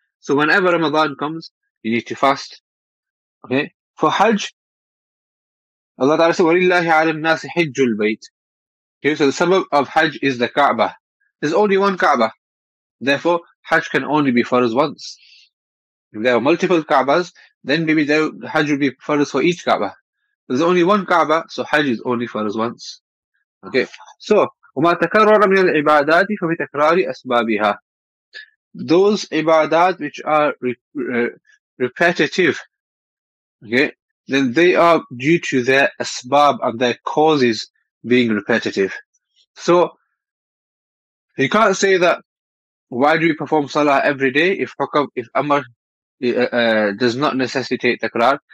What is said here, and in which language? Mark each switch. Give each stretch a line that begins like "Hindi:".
English: So whenever Ramadan comes, you need to fast. Okay, for hajj, Allah Ta'ala said,
Arabic: وَلِلَّهِ عَلَى النَّاسِ حِجُّ الْبَيْتِ.
English: Okay, so the sabab of Hajj is the Kaaba. There's only one Kaaba. Therefore, Hajj can only be farz once. If there are multiple Kaabas, then maybe the Hajj will be farz for each Kaaba. There's only one Kaaba, so Hajj is only farz once. Okay, so,
Arabic: وَمَا تَكَرَّرَ مِنَ الْعِبَادَاتِ فَبِتَكْرَارِ أَسْبَابِهَا.
English: Those ibadat which are repetitive, okay, then they are due to their asbab and their causes being repetitive. So you can't say that why do we perform salah every day if amr does not necessitate takrar.